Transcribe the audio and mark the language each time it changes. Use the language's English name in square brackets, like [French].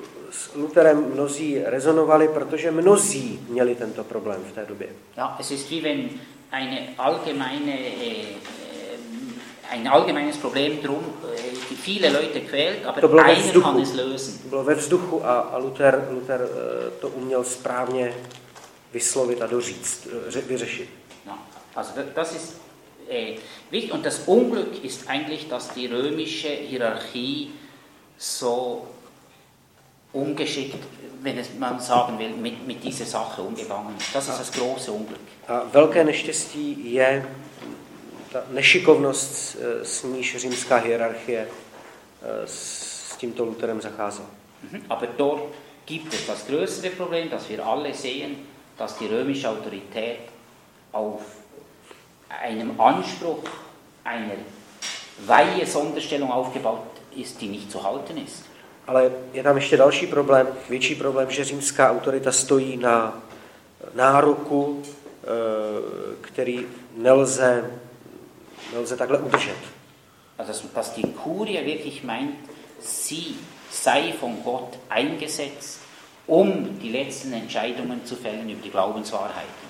[Czech] s Lutherem mnozí rezonovali, protože mnozí měli tento problém v té době. [German] Ja, es ist wie wenn ein allgemeines Problem drum, die viele Leute quält, aber einer kann es lösen. [Czech] To bylo ve vzduchu a Luther to uměl správně vyslovit a doříct, vyřešit. [German] No, also das ist wichtig und das Unglück ist eigentlich, dass die römische Hierarchie so ungeschickt, wenn es man sagen will, mit dieser Sache umgegangen ist. Das ist das große Unglück. [Czech] A velké neštěstí je ta nešikovnost, s níž římská hierarchie s tímto Lutherem zacházela. [German] Aber dort gibt es das größere Problem, dass wir alle sehen, dass die römische Autorität auf einem Anspruch einer weihe Sonderstellung aufgebaut ist, die nicht zu halten ist. [Czech] Ale je tam ještě další problém, větší problém, že římská autorita stojí na nároku, který nelze takhle udržet. [German] Dass die Kurie wirklich meint, sie sei von Gott eingesetzt, um die letzten Entscheidungen zu fällen über die Glaubenswahrheit.